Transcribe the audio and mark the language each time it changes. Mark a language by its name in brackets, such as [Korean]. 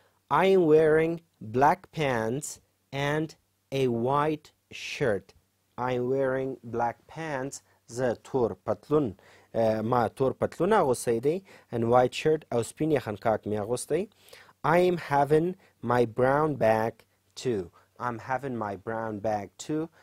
[English] I am wearing black pants and a white shirt. I am wearing black pants. [Pashto] زه تور پتلون، ما تور پتلون اغوستی دی. [English] And white shirt, [Pashto] او سپین یخنکاک می اغوستی. [English] I am having my brown bag too. I'm having my brown bag too.